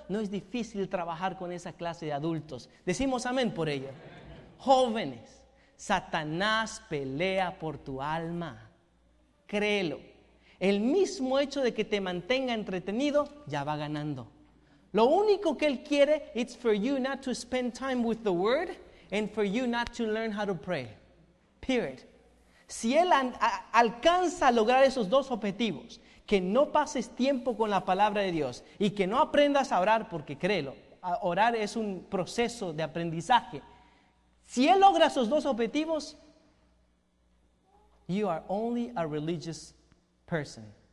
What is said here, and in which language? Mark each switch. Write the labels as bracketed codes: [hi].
[es] No es difícil trabajar con esa clase de adultos. Decimos amén por ello. Jóvenes, Satanás pelea por tu alma. Créelo. El mismo hecho de que te mantenga entretenido ya va ganando. Lo único que él quiere, [en] it's for you not to spend time with the word. And for you not to learn how to pray. Period. [es] Si él alcanza a lograr esos dos objetivos, que no pases tiempo con la palabra de Dios y que no aprendas a orar, porque créelo, orar es un proceso de aprendizaje. Si él logra esos dos objetivos, [en] you are only a religious person.